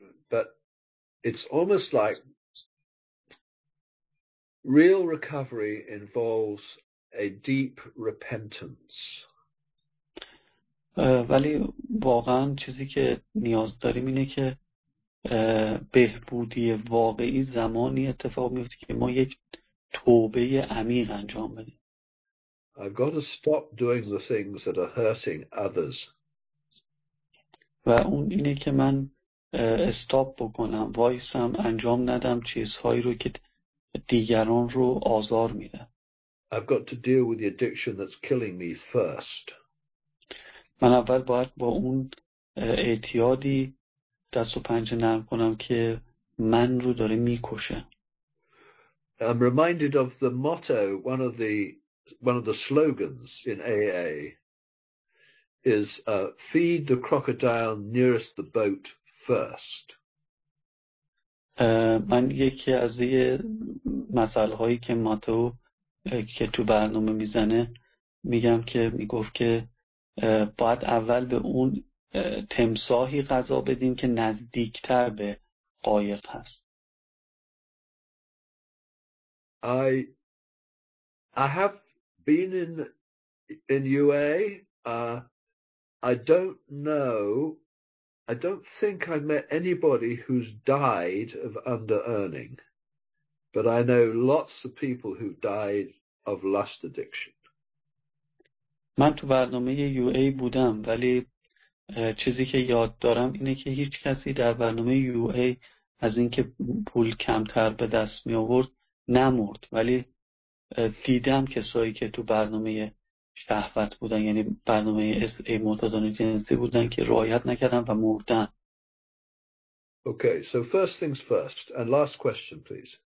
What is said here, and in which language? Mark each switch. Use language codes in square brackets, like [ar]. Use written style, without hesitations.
[en] But it's almost like real recovery involves a deep repentance. [fa] ولی واقعا چیزی که نیاز داریم اینه که بهبودی واقعی زمانی اتفاق میفته که ما یک توبه عمیق انجام بدیم. [en] I've got to stop doing the things that are hurting others. [fa] و اون اینه که من استاپ بکنم، وایسم، انجام ندم چیزهایی رو که دیگران رو آزار میده. [en] I've got to deal with the addiction that's killing me first. [fa] من اول باید با اون اعتیادی دست و پنجه نرم کنم که من رو داره میکشه. [en] I'm reminded of the motto, one of the slogans in AA is feed the crocodile nearest the boat first. [fa] من یکی از این مثال هایی که ماتو که تو برنامه میزنه میگم که میگفت که باید اول به اون تمساحی غذا بدیم که نزدیکتر به قایق هست. [en] I have been in UA. I don't think I've met anybody who's died of under-earning. But I know lots of people who died of lust addiction. [fa] من تو برنامه UA بودم، ولی چیزی که یاد دارم اینه که هیچ کسی در برنامه UA از اینکه پول کمتر به دست می آورد نمرد، ولی دیدم کسایی که تو برنامه شهوت بودن، یعنی برنامه SA معتادان جنسی بودن، که رعایت نکردن و مردن. [en] Okay, so first things first and last question please.